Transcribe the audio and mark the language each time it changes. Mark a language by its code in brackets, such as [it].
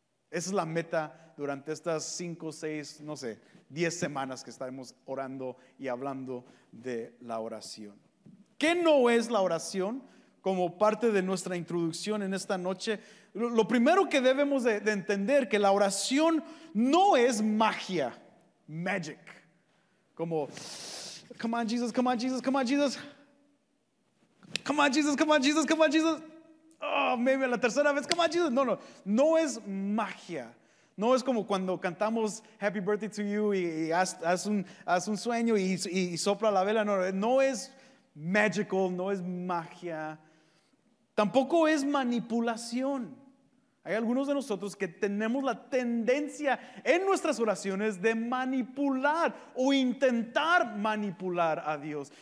[es] Esa es la meta durante estas 5, 6, 10 semanas que estaremos orando y hablando de la oración. ¿Qué no es la oración? Como parte de nuestra introducción en esta noche, lo primero que debemos de entender que la oración no es magia, magic. [en] Como, come on Jesus, come on Jesus, come on Jesus. Come on Jesus, come on Jesus, come on Jesus. Oh, maybe [es] la tercera vez, [en] come on Jesus. [es] No es magia. No es como cuando cantamos Happy Birthday to You y haz un sueño y sopla la vela. No es magical, no es magia. Tampoco es manipulación. Hay algunos de nosotros que tenemos la tendencia en nuestras oraciones de manipular o intentar manipular a Dios.